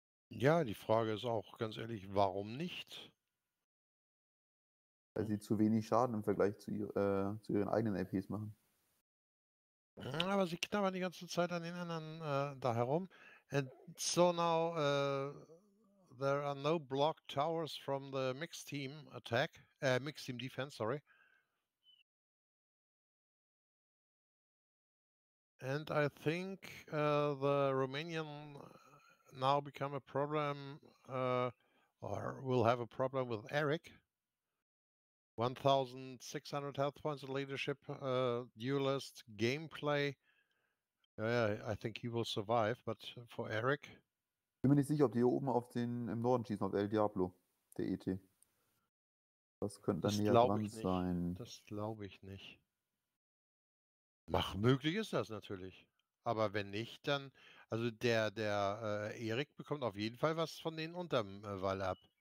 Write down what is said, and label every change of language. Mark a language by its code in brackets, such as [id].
[de] Ja, die Frage ist auch ganz ehrlich, warum nicht? Weil sie zu wenig Schaden im Vergleich zu ihren eigenen APs machen. Aber sie knabbern die ganze Zeit an den anderen da herum. [en] And so now there are no blocked towers from the mixed team attack. Mixed team defense, sorry. And I think the Romanian now become a problem or will have a problem with Eric. 1,600 health points of leadership, duelist, gameplay. I think he will survive, but for Eric. [de] Bin mir nicht sicher, ob die hier oben auf den im Norden schießen, auf El Diablo, der ET. Das könnte dann ja dran sein. Das glaube ich nicht. Mach möglich ist das natürlich. Aber wenn nicht, dann... Also der Erik bekommt auf jeden Fall was von denen unterm Wall ab.